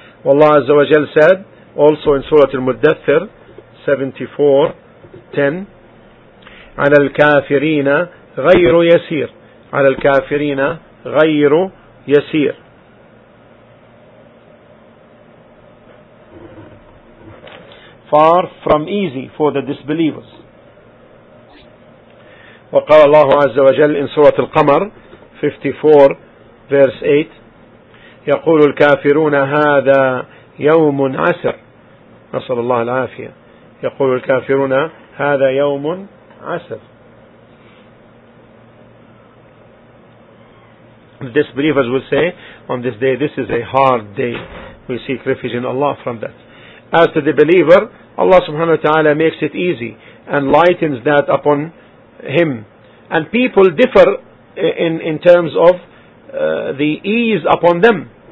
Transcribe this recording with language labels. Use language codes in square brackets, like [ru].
[en] Allah Azza wa Jal said also in Surah Al-Muddathir 74:10, [ar] على الكافرين غير يسير [en] على الكافرين غير يسير. Far from easy for the disbelievers. [ar] وقال الله عز وجل [en] in Surah Al-Qamar 54 [ar] verse 8, يقول الكافرون هذا يوم عسر. نسأل الله العافية. يقول الكافرون هذا يوم عسر. [en] The disbelievers will say on this day, this is a hard day. We seek refuge in Allah from that. As to the believer, Allah subhanahu wa ta'ala makes it easy and lightens that upon him. And people differ in terms of the ease upon them.